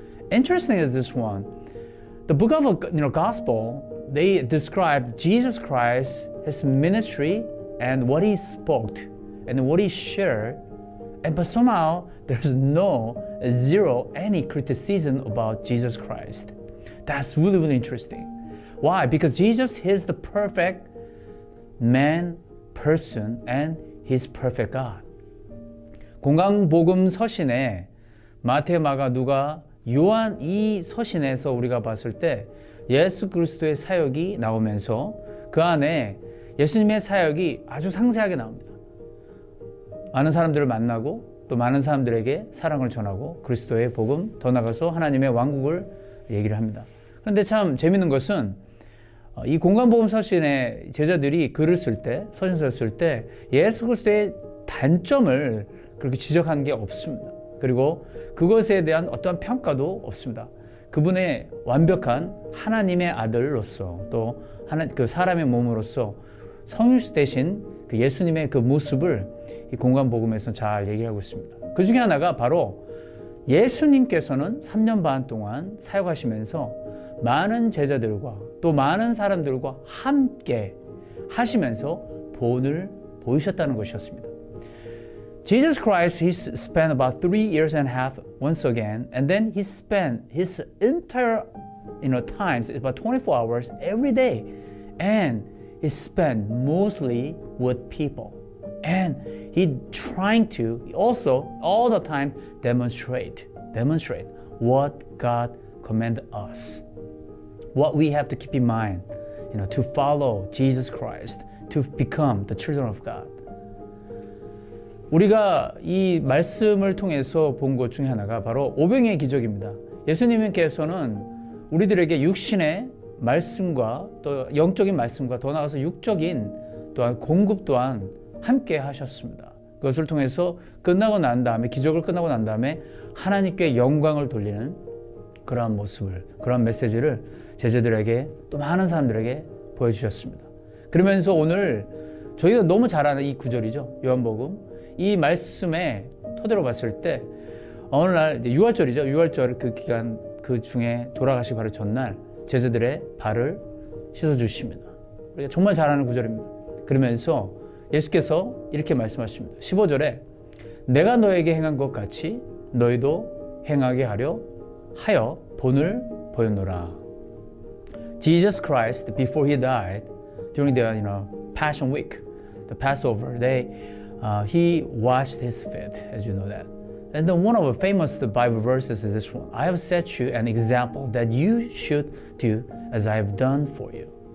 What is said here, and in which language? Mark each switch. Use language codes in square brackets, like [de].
[en] Interesting is this one. The book of gospel, they described Jesus Christ, his ministry, and what he spoke, and what he shared, but somehow there's any criticism about Jesus Christ. That's really, really interesting. Why? Because Jesus, he's the perfect man, person, and he's perfect God. [ko] 공강복음 서신에 마태, 마가, 누가, 요한 이 서신에서 우리가 봤을 때 예수 그리스도의 사역이 나오면서 그 안에 예수님의 사역이 아주 상세하게 나옵니다. 많은 사람들을 만나고 또 많은 사람들에게 사랑을 전하고 그리스도의 복음, 더 나아가서 하나님의 왕국을 얘기를 합니다. 그런데 참 재미있는 것은 이 공간복음서신의 제자들이 글을 쓸 때, 서신서를 쓸 때 예수 그리스도의 단점을 그렇게 지적한 게 없습니다. 그리고 그것에 대한 어떠한 평가도 없습니다. 그분의 완벽한 하나님의 아들로서 또 그 사람의 몸으로서 성육되신 그 예수님의 그 모습을 이 공간복음에서 잘 얘기하고 있습니다. 그 중에 하나가 바로 예수님께서는 3년 반 동안 사역하시면서 많은 제자들과 또 많은 사람들과 함께 하시면서 본을 보이셨다는 것이었습니다. [en] Jesus Christ, he spent about 3 years and a half once again, and then he spent his entire, you know, time, so about 24 hours every day, and he spent mostly with people. And he trying to also all the time demonstrate what God commanded us. What we have to keep in mind, you know, to follow Jesus Christ, to become the children of God. [ko] 우리가 이 말씀을 통해서 본 것 중에 하나가 바로 오병이의 기적입니다. 예수님께서는 우리들에게 육신의 말씀과 또 영적인 말씀과 더 나아가서 육적인 또한 공급 또한 함께 하셨습니다. 그것을 통해서 끝나고 난 다음에 기적을 끝나고 난 다음에 하나님께 영광을 돌리는 그러한 모습을 그러한 메시지를 제자들에게 또 많은 사람들에게 보여주셨습니다. 그러면서 오늘 저희가 너무 잘 아는 이 구절이죠. 요한복음 이 말씀에 토대로 봤을 때 어느 날 이제 유월절이죠. 유월절 그 기간 그 중에 돌아가시기 바로 전날 제자들의 발을 씻어주십니다. 우리가 정말 잘 아는 구절입니다. 그러면서 예수께서 이렇게 말씀하십니다. 15절에 내가 너에게 행한 것 같이 너희도 행하게 하려 하여 본을 보였노라. [en] Jesus Christ, before he died, during the, you know, Passion Week, the Passover day, he washed his feet, as you know that. And then one of the famous Bible verses is this one. I have set you an example that you should do as I have done for you.